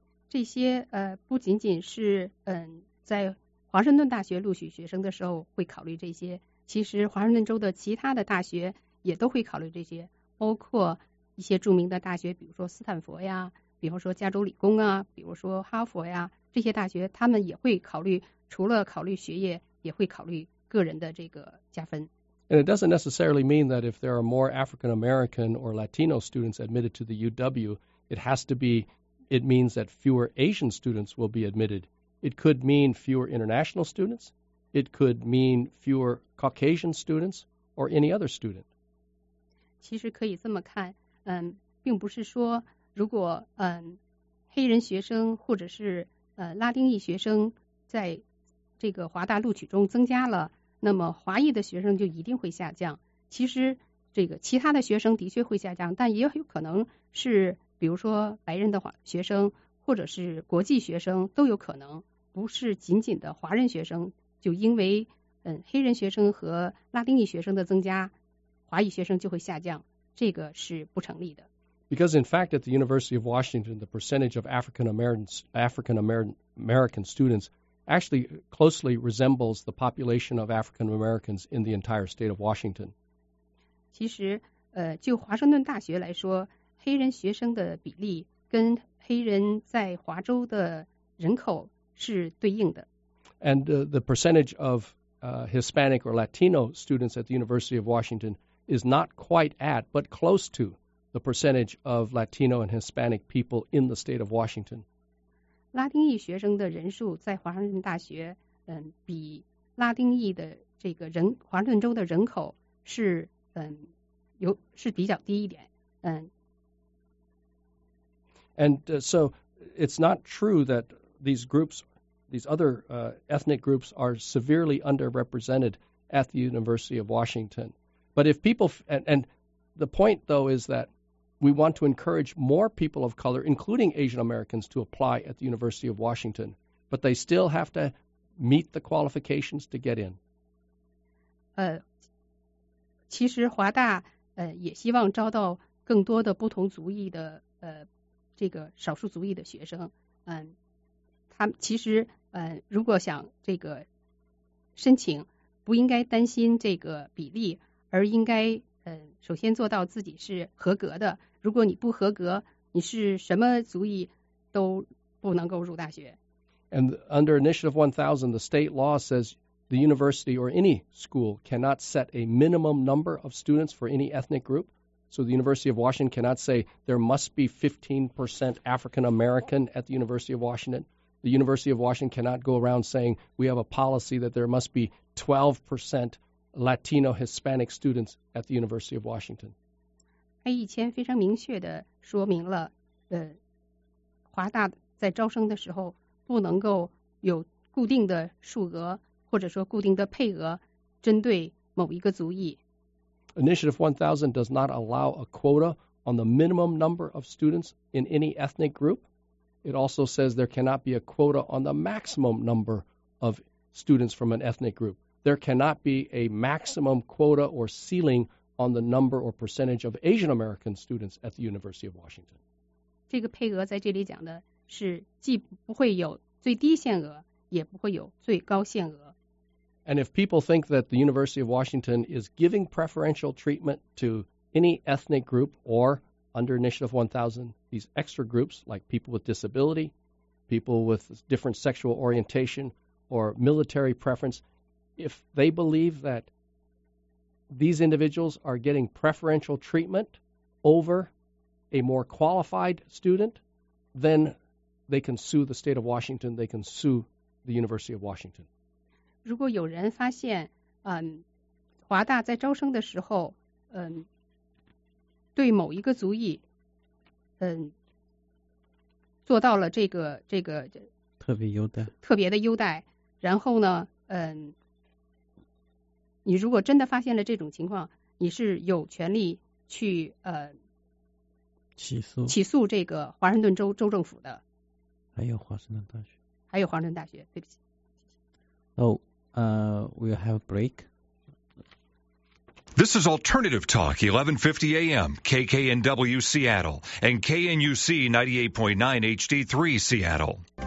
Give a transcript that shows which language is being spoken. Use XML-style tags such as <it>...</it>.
<zh>这些不仅仅是在华盛顿大学录取学生的时候会考虑这些，其实华盛顿州的其他的大学也都会考虑这些，包括一些著名的大学，比如说斯坦福呀，比如说加州理工啊，比如说哈佛呀，这些大学他们也会考虑，除了考虑学业也会考虑个人的这个加分。</zh> <en>And it doesn't necessarily mean that if there are more African American or Latino students admitted to the UW, it means that fewer Asian students will be admitted. It could mean fewer international students. It could mean fewer Caucasian students or any other student.</en> <zh>其实可以这么看，并不是说如果黑人学生或者是拉丁裔学生在这个华大录取中增加了，那么华裔的学生就一定会下降。其实这个其他的学生的确会下降，但也有可能是比如说白人的学生或者是国际学生都有可能，不是仅仅的华人学生，就因为黑人学生和拉丁裔学生的增加，华裔学生就会下降，这个是不成立的。</zh> <en>Because in fact at the University of Washington, the percentage of African American students actually closely resembles the population of African Americans in the entire state of Washington.</en> <zh>其实就华盛顿大学来说，黑人学生的比例跟黑人在华州的人口是对应的。</zh> <en>And the percentage of Hispanic or Latino students at the University of Washington is not quite at, but close to, the percentage of Latino and Hispanic people in the state of Washington.</en> <zh>拉丁裔学生的人数在华盛顿大学，比拉丁裔的这个人，华盛顿州的人口是，是比较低一点，</zh> <en>And so it's not true that these groups, these other ethnic groups are severely underrepresented at the University of Washington. But if people, and the point though is that we want to encourage more people of color, including Asian Americans, to apply at the University of Washington, but they still have to meet the qualifications to get in.</en> <zh>其实华大也希望招到更多的不同族裔的这个少数族裔的学生，他们其实如果想这个申请，不应该担心这个比例，而应该首先做到自己是合格的。如果你不合格，你是什么族裔都不能够入大学。</zh> <en>And under Initiative 1000, the state law says the university or any school cannot set a minimum number of students for any ethnic group. So the University of Washington cannot say there must be 15% African American at the University of Washington. The University of Washington cannot go around saying we have a policy that there must be 12% Latino Hispanic students at the University of Washington.</en> <zh>A1000 非常明确地说明了，华大在招生的时候不能够有固定的数额或者说固定的配额针对某一个族裔。</zh> <en>Initiative 1000 does not allow a quota on the minimum number of students in any ethnic group. It also says there cannot be a quota on the maximum number of students from an ethnic group. There cannot be a maximum quota or ceiling on the number or percentage of Asian American students at the University of Washington.</en> <zh>这个配额在这里讲的是既不会有最低限额，也不会有最高限额。</zh> <en>And if people think that the University of Washington is giving preferential treatment to any ethnic group or under Initiative 1000, these extra groups like people with disability, people with different sexual orientation or military preference, if they believe that these individuals are getting preferential treatment over a more qualified student, then they can sue the state of Washington, they can sue the University of Washington.</en> <zh>如果有人发现，华大在招生的时候，对某一个族裔，做到了这个特别优待，然后呢，你如果真的发现了这种情况，你是有权利去起诉这个华盛顿州政府的，还有华盛顿大学，对不起。</zh> <en>We'll have a break. This is Alternative Talk, 1150 AM, KKNW Seattle, and KNUC 98.9 HD3 Seattle.</en>